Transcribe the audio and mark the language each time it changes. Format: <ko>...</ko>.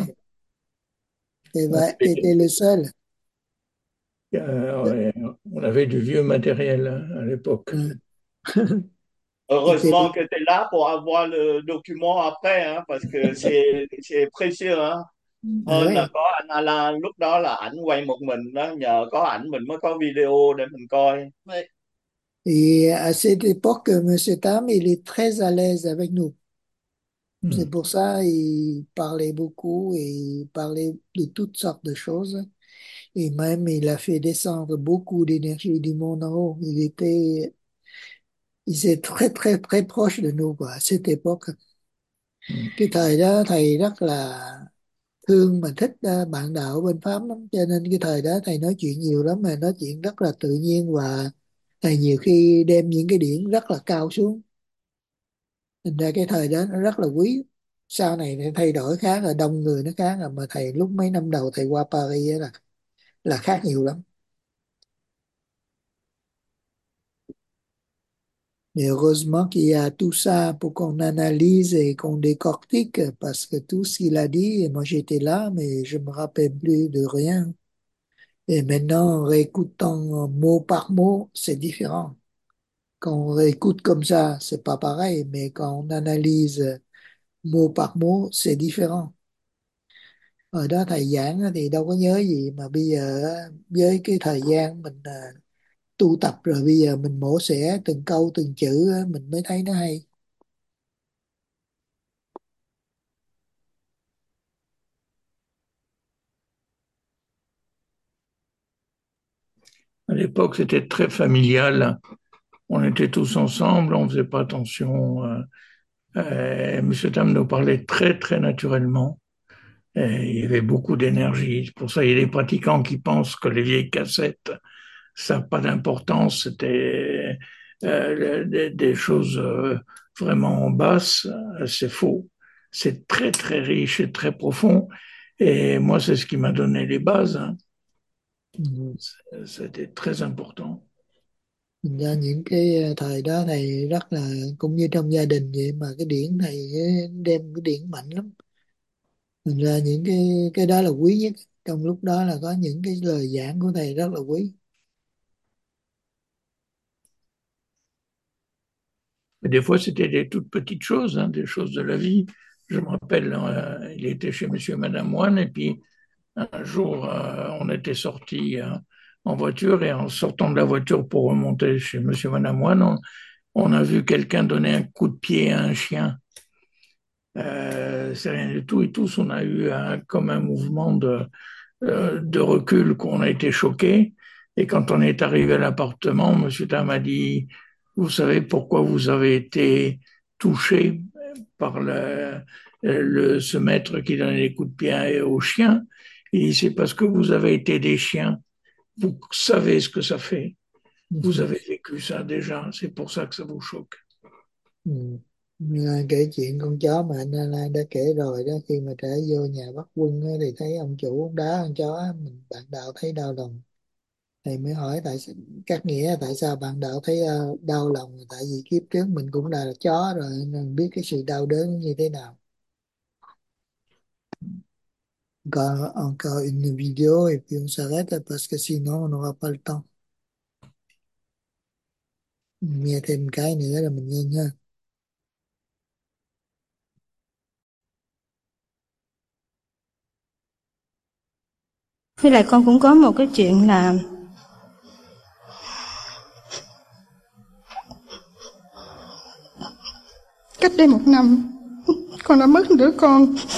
<fr>Ouais. T'étais le seul. On avait du vieux matériel à l'époque. Ouais. Heureusement que tu es là pour avoir le document après, hein, parce que c'est précieux.</fr> <vi>Hein. Hơn là</vi> <fr>Ouais.</fr> <vi>có anh Alain, lúc đó là ảnh quay một mình, đó, nhờ có ảnh mình mới có video để mình coi. Đấy.</vi> <fr>Et à cette époque, Monsieur Tam, il est très à l'aise avec nous. C'est pour ça qu'il parlait beaucoup et il parlait de toutes sortes de choses. Et même, il a fait descendre beaucoup d'énergie du monde en haut. Il était très, très, très proche de nous, quoi, à cette époque.</fr> <vi>Cái thời đó, thầy rất là thương và thích bạn đạo bên Pháp lắm. Cho nên cái thời đó, thầy nói chuyện nhiều lắm, mà nói chuyện rất là tự nhiên và thầy nhiều khi đem những cái điển rất là cao xuống. Thành ra cái thời đó nó rất là quý. Sau này thì thay đổi khác là đông người nó khác rồi. Mà thầy lúc mấy năm đầu thầy qua Paris ấy là khác nhiều lắm.</vi> <fr>Mais heureusement qu'il y a tout ça pour qu'on analyse et qu'on décortique. Parce que tout ce qu'il a dit, moi j'étais là, mais je me rappelle plus de rien. Et maintenant, en réécoutant mot par mot, c'est différent. Quand on réécoute comme ça, c'est pas pareil, mais quand on analyse mot par mot, c'est différent.</fr> <vi>Ở đó thầy giảng thì đâu có nhớ gì, mà bây giờ với cái thời gian mình tu tập rồi, bây giờ mình mổ xẻ từng câu từng chữ, mình mới thấy nó hay.</vi> <fr>À l'époque, c'était très familial. On était tous ensemble, on ne faisait pas attention. Monsieur Tam nous parlait très, très naturellement. Et il y avait beaucoup d'énergie. C'est pour ça qu'il y a des pratiquants qui pensent que les vieilles cassettes, ça n'a pas d'importance. C'était des choses vraiment basses. C'est faux. C'est très, très riche et très profond. Et moi, c'est ce qui m'a donné les bases. Hein. C'était très important.</fr> <vi>Thành ra những cái thời đó thầy rất là cũng như trong gia đình vậy, mà cái điển thầy đem cái điển mạnh lắm. Thành ra những cái đó là quý nhất, trong lúc đó là có những cái lời giảng của thầy rất là quý.</vi> <fr>Des fois, c'était des toutes petites choses, hein, des choses de la vie. Je me rappelle, il était chez Monsieur et Madame Moine, et puis un jour, on était sortis. En voiture, et en sortant de la voiture pour remonter chez Monsieur et Madame Moine, on a vu quelqu'un donner un coup de pied à un chien. C'est rien du tout, et tous on a eu comme un mouvement de recul, qu'on a été choqués. Et quand on est arrivé à l'appartement, Monsieur Tam a dit: Vous savez pourquoi vous avez été touché par ce maître qui donnait des coups de pied aux chiens? Il dit: C'est parce que vous avez été des chiens. Vous savez ce que ça fait. Vous avez vécu ça déjà. C'est pour ça que ça vous choque.</fr> <vi>Kể chuyện con chó mà anh Alan đã kể rồi đó, khi mà trở vô nhà Bắc Quân đó, thì thấy ông chủ ông đá con chó, mình bạn đạo thấy đau lòng Thì mới hỏi tại các nghĩa tại sao bạn đạo thấy đau lòng, tại vì kiếp trước mình cũng là chó rồi nên biết cái sự đau đớn như thế nào.</vi> <fr>Encore une vidéo et puis on s'arrête parce que sinon on n'aura pas le temps.</fr> <vi>Nghe thêm cái nữa là mình nghe nha. Với lại con cũng có một cái chuyện là cách đây một năm con đã mất đứa con.</vi>